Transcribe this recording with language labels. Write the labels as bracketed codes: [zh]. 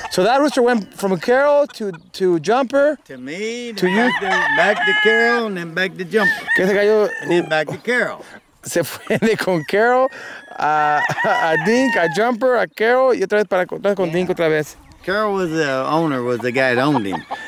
[en] So that rooster went from Carol to Jumper. To me. To you. Back to Carol and then back to Jumper. [es] Que ese gallo. [en] And then back to Carol. [es] Se fue de con Carol a Dink, a Jumper, a Carol, y otra vez para contar con Dink otra vez. [en] Carol was the owner, was the guy that owned him.